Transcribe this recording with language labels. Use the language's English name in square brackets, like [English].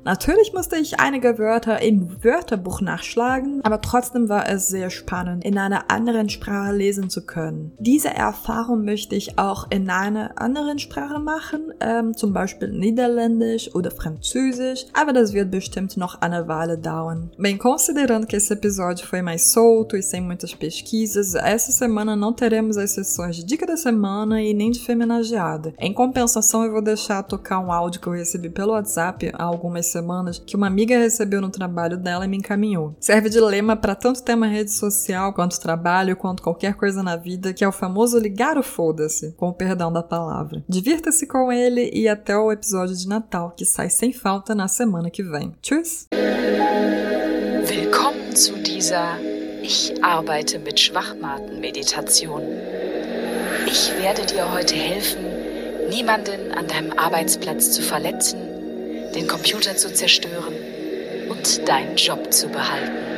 [German] Natürlich musste ich einige Wörter im Wörterbuch nachschlagen, aber trotzdem war es sehr spannend, in einer anderen Sprache lesen zu können. Diese Erfahrung möchte ich auch in einer anderen Sprache machen, zum Beispiel Niederländisch oder Französisch, aber das wird bestimmt noch eine Weile dauern. [Portuguese] Bem, considerando que esse episódio foi mais solto e sem muitas pesquisas, essa semana não teremos as sessões de dica da semana e nem de femenageada. Em compensação, eu vou deixar tocar um áudio que eu recebi pelo WhatsApp há algumas semanas, que uma amiga recebeu no trabalho dela e me encaminhou. Serve de lema para tanto tema rede social, quanto trabalho, quanto qualquer coisa na vida, que é o famoso ligar o foda-se, com o perdão da palavra. Divirta-se com ele e até o episódio de Natal, que sai sem falta na semana que vem. [German] Tschüss! Willkommen zu dieser Ich arbeite mit Schwachmaten Meditation. Ich werde dir heute helfen, niemanden an deinem Arbeitsplatz zu verletzen, den Computer zu zerstören und deinen Job zu behalten.